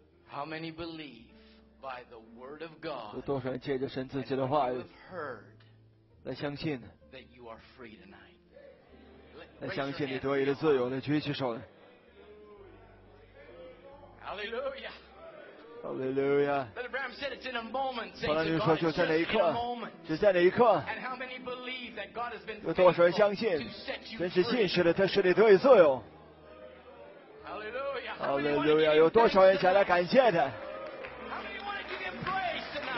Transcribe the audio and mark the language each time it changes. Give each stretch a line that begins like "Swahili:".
English: How many believe by the word of God？
Chinese: 有多少人借着神自己的话语来相信呢
English: ？That you are free tonight。
Chinese: 来相信你得以的自由，来举起手来。
English: Hallelujah. Hallelujah. But Abraham said it's in a moment. 保罗
Chinese: 就说就在那一刻，只在那一刻。
English: And how many believe that God has been faithful?
Chinese: 有多少人相信？真是信实的，他使你得以自由。
English: Hallelujah. Hallelujah.
Chinese: 有多少人想来感谢他？
English: How many want to give Him praise tonight?